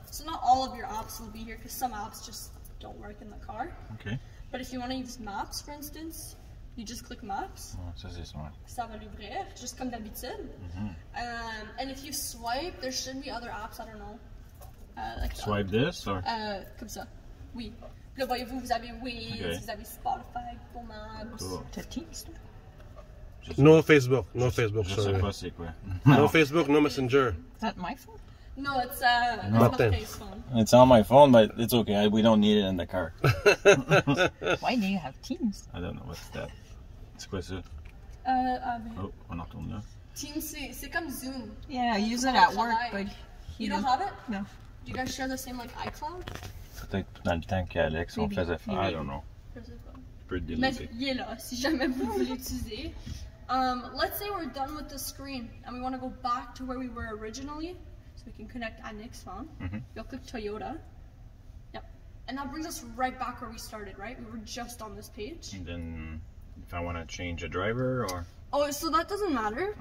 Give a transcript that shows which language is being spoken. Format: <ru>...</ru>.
<en>So not all of your apps will be here because some apps just don't work in the car. Okay. But if you want to use Maps, for instance, you just click Maps.</en> <fr>Oh, ça, c'est smart. Ça va l'ouvrir,</fr> <en>just</en> <fr>comme d'habitude. Mm-hmm.</fr> <en>And if you swipe, there should be other apps, I don't know. Like swipe this or?</en> <fr>Comme ça. Oui. Là, voyez-vous, vous avez Waze, vous avez Spotify, Google Maps.</fr> <en>Cool. Teams. No Facebook. No Facebook, sorry.</en> <fr>Je sais pas c'est quoi.</fr> <en>No Facebook, no Messenger. Is that my phone? No, it's on my phone. It's on my phone, but it's okay. We don't need it in the car. Why do you have Teams? I don't know what's that. It's</en> <fr>quoi ça? On a retourné. Teams, c'est comme Zoom.</fr> <en>Yeah, I use it at work, but you don't have it? No. Do you guys share the same like iCloud?</en> <fr>Peut-être dans le temps qu'Alex, on faisait faire.</fr> <en>I don't know. Pretty delicate.</en> <fr>Mais il est là, si jamais vous voulez l'utiliser.</fr> <en>Let's say we're done with the screen, and we want to go back to where we were originally. So we can connect on Nick's phone. Mm-hmm. You'll click Toyota. Yep. And that brings us right back where we started, right? We were just on this page. And then if I want to change a driver or... Oh, so that doesn't matter.</en>